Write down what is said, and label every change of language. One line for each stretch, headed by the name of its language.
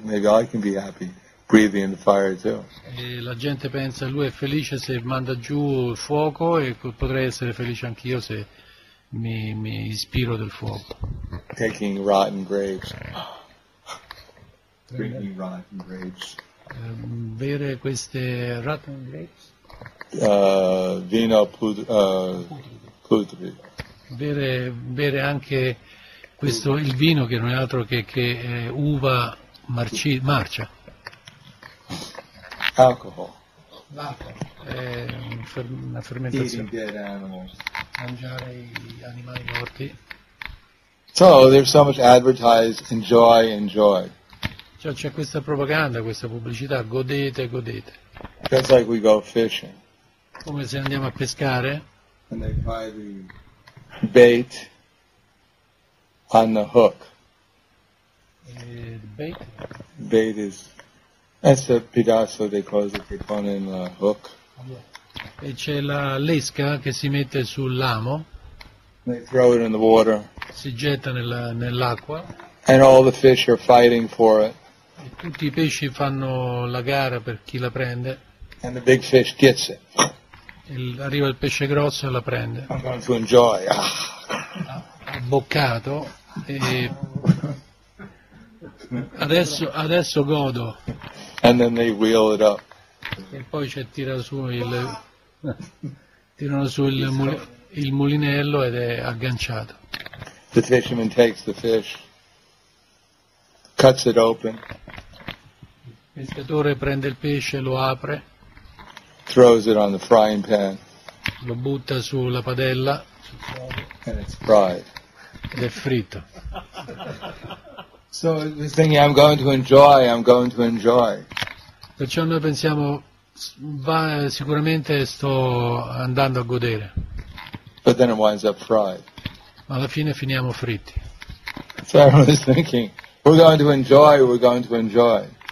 English: Maybe I can be happy breathing in the fire too.
Italian: E la gente pensa, lui è felice se manda giù il fuoco e potrei essere felice anch'io se mi ispiro del fuoco.
English: Taking rotten grapes. Drinking rotten grapes.
Italian: Bere queste
English: rotten grapes.
Italian: Vino putrido. Bere anche questo, il vino che non è altro che è uva marcia.
English: Alcohol.
Italian: È una fermentazione.
English: Eating dead animals.
Italian: Mangiare gli animali morti.
English: So there's so much advertised enjoy, enjoy.
Italian: Cioè c'è questa propaganda, questa pubblicità, godete, godete.
English: Just like we go fishing.
Italian: Come se andiamo a pescare.
English: And they tie the bait on the hook. Bait? Bait is, that's a
Spanish: pedazo de cosa che pone
English: in the hook. Yeah.
Italian: e c'è la l'esca che si mette sull'amo.
English: They throw it in the water.
Italian: Si getta nell'acqua.
English: And all the fish are fighting for it.
Italian: E tutti i pesci fanno la gara per chi la prende.
English: And the big fish gets it.
Italian: Arriva il pesce grosso e la prende.
English: I'm going to enjoy.
Italian: Boccato e adesso godo.
English: And then they wheel it up.
Italian: E poi c'è tirano su il mulinello ed è agganciato.
English: The fisherman takes the fish, cuts it open.
Italian: Il pescatore prende il pesce, lo apre.
English: Throws it on the frying pan.
Italian: Lo butta sulla padella.
English: And it's fried.
Italian: Ed è fritto.
English: So he's thinking, I'm going to enjoy, I'm going to enjoy.
Italian: Perciò noi pensiamo, sicuramente sto andando a godere.
English: But then it winds up fried.
Italian: Ma alla fine finiamo fritti.
English: So I was thinking, we're going to enjoy, we're going to enjoy.